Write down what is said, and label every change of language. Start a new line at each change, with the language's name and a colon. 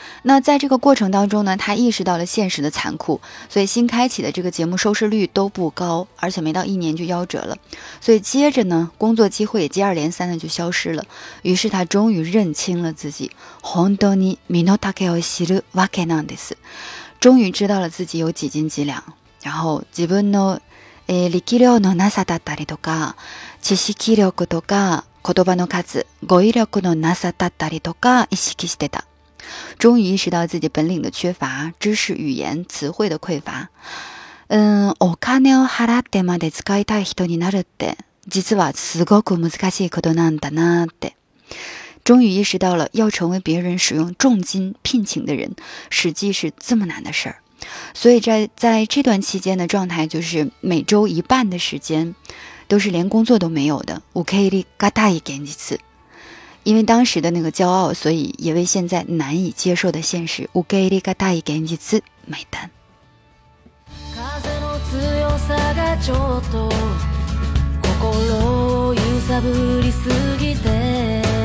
Chinese: 那在这个过程当中呢，他意识到了现实的残酷，所以新开启的这个节目收视率都不高，而且没到一年就夭折了，所以接着呢工作机会也接二连三的就消失了，于是他终于认清了自己，
Japanese: 本当に身の丈を知るわけなんです，
Chinese: 终于知道了自己有几斤几两，然后
Japanese: 自分の力量のなさだったりとか知識力とか言葉の数、語彙力のなさだったりとか意識してた。
Chinese: 终于意识到自己本领的缺乏，知识、语言、词汇的匮乏。
Japanese: お金を払ってまで使いたい人になるって、実はすごく難しいことなんだなって。
Chinese: 终于意识到了要成为别人使用重金聘请的人，实际是这么难的事儿。所以在这段期间的状态就是每周一半的时间都是连工作都没有的。
Japanese: 受け入りがたい現実。
Chinese: 因为当时的那个骄傲，所以也为现在难以接受的现实
Japanese: 受け入れがたい現実
Chinese: 买单。
Japanese: 風の強さがちょっと心揺さぶりすぎて